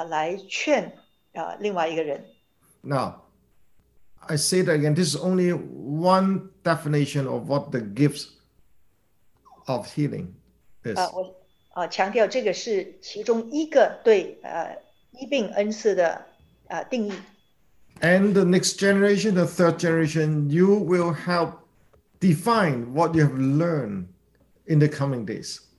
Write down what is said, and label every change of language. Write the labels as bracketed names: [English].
[Chinese] 不是呢，接着人自己学气的来劝另外一个人。 [English] Now, I say that again, this is only one definition of what the gifts of healing is. [Chinese] 我强调这个是其中一个对医病恩赐的定义。 [English] And the next generation, the third generation, you will help define what you have learned in the coming days.